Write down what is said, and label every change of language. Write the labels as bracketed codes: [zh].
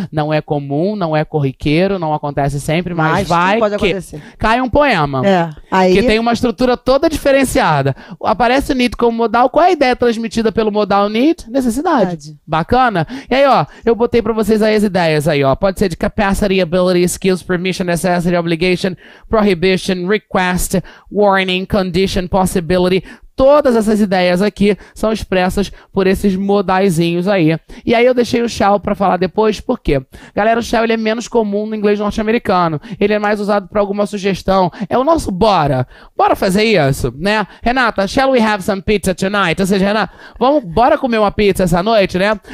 [pt] Não é comum, não é corriqueiro, não acontece sempre, mas vai pode que acontecer. Cai um poema. É. Aí... Que tem uma estrutura toda diferenciada. Aparece o need como modal. Qual é a ideia transmitida pelo modal need? Necessidade. Bacana? E aí, ó, eu botei pra vocês aí as ideias aí, ó. Pode ser de capacity, ability, skills, permission, necessity, obligation, prohibition, request, warning, condition, possibility. Todas essas ideias aqui são expressas por esses modaizinhos aí. E aí eu deixei o shall pra falar depois, por quê? Galera, o shall, ele é menos comum no inglês norte-americano. Ele é mais usado pra alguma sugestão. É o nosso bora. Bora fazer isso, né? Renata, [en] shall we have some pizza tonight? [pt] Ou seja, Renata, bora comer uma pizza essa noite, né?